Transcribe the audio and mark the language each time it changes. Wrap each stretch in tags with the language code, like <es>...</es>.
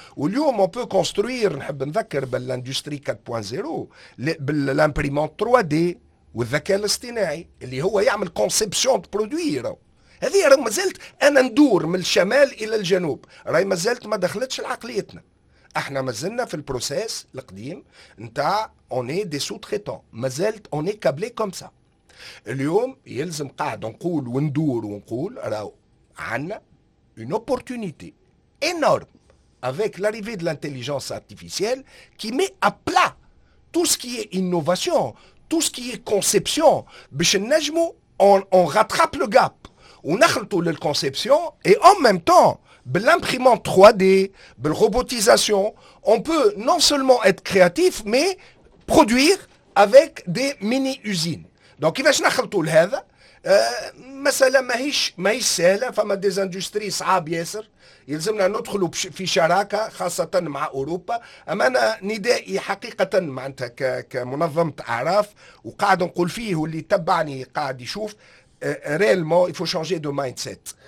<ar>واليوم اون بو كونستروير، نحب نذكر بالاندستري 4.0 بالامبريمون 3D والذكاء الاصطناعي اللي هو يعمل كونسيبسيون دو برودوير. هذه راه مازلت انا ندور من الشمال الى الجنوب، راهي مازلت ما دخلتش لعقليتنا. احنا مازلنا في البروسيس القديم نتاع</ar> <fr>اوني دي سو تريتون، مازلت اوني كابلي كوم سا.</fr> <ar>اليوم يلزم قاعد نقول وندور ونقول راهو عنا</ar> <fr>une opportunité énorme avec l'arrivée de l'intelligence artificielle qui met à plat tout ce qui est innovation, tout ce qui est conception.</fr> <ar>باش نجمو</ar> <fr>on rattrape le gap</fr> <ar>ونخلطو</ar> <fr>للconception، et en même temps بالimprimante 3D بالrobotisation on peut non seulement être créatif mais produire avec des mini usines. Donc</fr> <ar>كيفاش نخلطو لهذا؟ مثلا ماهيش سهلة، فما ديز اندستري صعاب ياسر، يلزمنا ندخلوا في شراكة خاصة مع أوروبا. أما أنا ندائي حقيقة معناتها كمنظمة أعراف وقاعد نقول فيه، واللي تبعني قاعد يشوف</ar> <fr>ريلمو يفو شانجي دو مايندسيت.</fr>